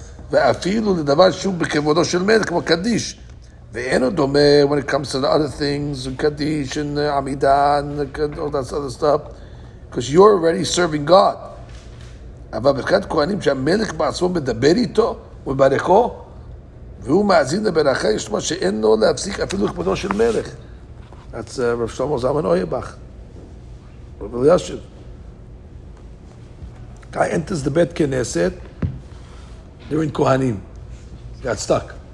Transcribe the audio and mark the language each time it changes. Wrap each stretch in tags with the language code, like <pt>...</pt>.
<he>ואפילו לדבר שוב בכבודו של מלך, כמו קדיש. ואין הוא דומה,</he> <en>when it comes to the other things, קדיש, עמידה, and all that sort of stuff, because you're already serving God.</en> <he>אבל ברכת כהנים שהמלך בעצמו מדבר איתו ומברכו והוא מאזין לברכה יש לו מה שאין לו להפסיק אפילו לכבודו של מלך אז רב שלמה זלמן אוירבך רב אלישיב</he> <en>guy enters the bet כנסת during כהנים got stuck</en>